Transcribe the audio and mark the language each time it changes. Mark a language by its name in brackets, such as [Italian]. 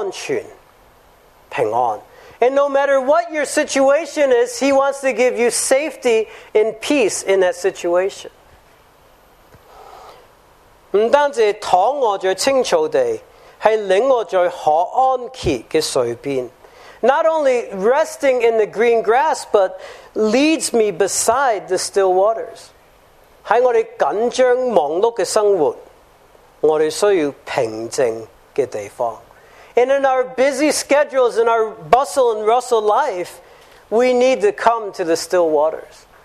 [Chinese] 他想你无论你在怎样的环境当中，还有安全、平安。 [English] And no matter what your situation is, he wants to give you safety and peace in that situation. [Chinese] 不单是躺卧在青草地，是领我在可安歇的水边。 [English] Not only resting in the green grass, but leads me beside the still waters. [Chinese] 在我们紧张忙碌的生活，我们需要平静的地方。 [English] And in our busy schedules, in our bustle and rustle life, we need to come to the still waters.